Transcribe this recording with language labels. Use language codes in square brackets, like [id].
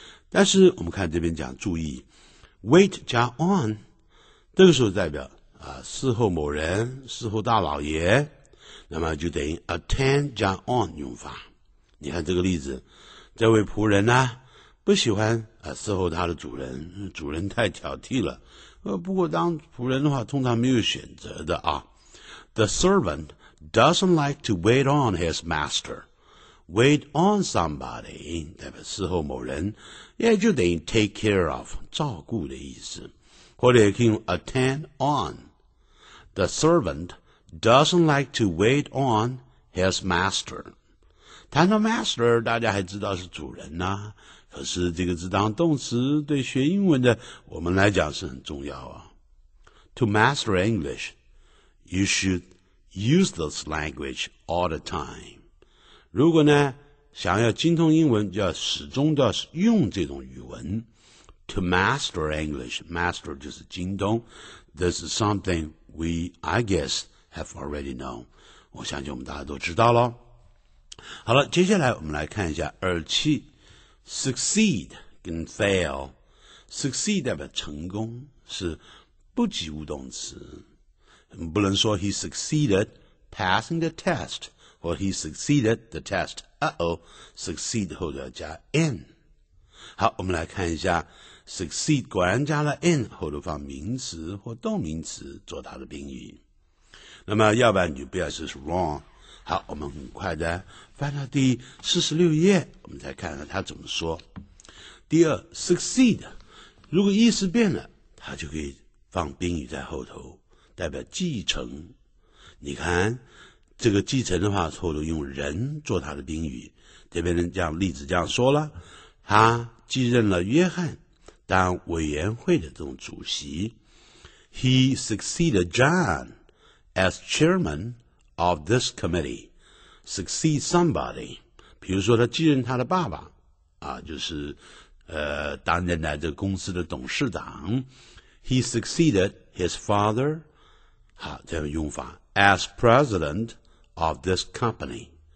[zh] 但是我们看这边讲注意 wait 加 on， 这个时候代表啊伺候某人，伺候大老爷，那么就等于 attend 加 on 用法。你看这个例子，这位仆人呢不喜欢啊伺候他的主人，主人太挑剔了，不过当仆人的话通常没有选择的啊。 [en] The servant doesn't like to wait on his masterWait on somebody [zh] 代表伺候某人，也就等于 [en] take care of [zh] 照顾的意思，或者也可以用 [en] attend on。 The servant doesn't like to wait on his master。 [zh] 谈到 master 大家还知道是主人啊，可是这个字当动词对学英文的我们来讲是很重要啊。 [en] To master English you should use this language all the time。 [zh] 如果呢想要精通英文，就要始终都要用这种语文。 [en] To master English， master [zh] 就是精通， [en] This is something we I guess have already known， [zh] 我相信我们大家都知道咯。好了，接下来我们来看一下27 succeed 跟 fail。 [en] succeed [zh] 代表成功，是不及物动词，不能说 [en] he succeeded passing the testWell, he succeeded the test. Uh-oh, succeed [zh] 后头加 [en] n。 [zh] 好，我们来看一下 succeed 果然加了 n， 后头放名词或动名词做它的宾语。那么要不然你就表示是 wrong。好，我们很快的翻到第46页，我们再看看它怎么说。第二， succeed 如果意思变了，它就可以放宾语在后头，代表继承。你看这个继承的话，后头用人做他的宾语，这边这样例子这样说了，他继任了约翰当委员会的这种主席。 [en] He succeeded John as chairman of this committee. [zh] Succeed somebody， 比如说他继任他的爸爸啊，就是担任了这个公司的董事长。 [en] He succeeded his father， [zh] 好，这样用法， [en] as presidentof this company.